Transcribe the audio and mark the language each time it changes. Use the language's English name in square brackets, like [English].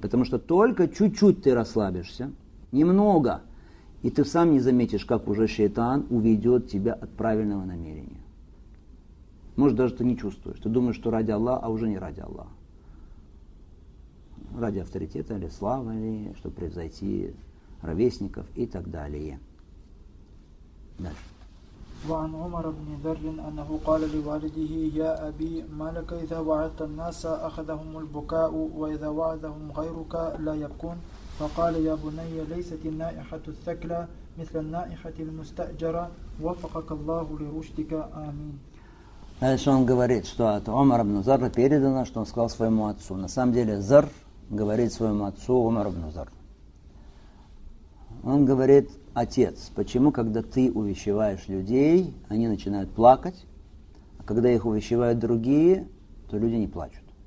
[Russian] Потому что только чуть-чуть ты расслабишься, немного, и ты сам не заметишь, как уже шайтан уведет тебя от правильного намерения. Может, даже ты не чувствуешь. Ты думаешь, что ради Аллаха, а уже не ради Аллаха. Ради авторитета или славы, или чтобы превзойти ровесников и так далее. Дальше. [Arabic] وعن عمر بن ذر أنه قال لوالده: يا أبي ما لك إذا وعدت الناس أخذهم البكاء وإذا وعدهم غيرك لا يبكون؟ فقال: يا بني ليست النائحة الثكلى مثل النائحة المستأجرة وفقك الله لرشدك آمين. [Russian] Дальше он говорит, что от Умара ибн Зарра передано, что он сказал своему отцу. На самом деле Зарр говорит своему отцу Умар ибн Зарр. Он говорит, отец, почему, когда ты увещеваешь людей, они начинают плакать, а когда их увещевают другие, то люди не плачут.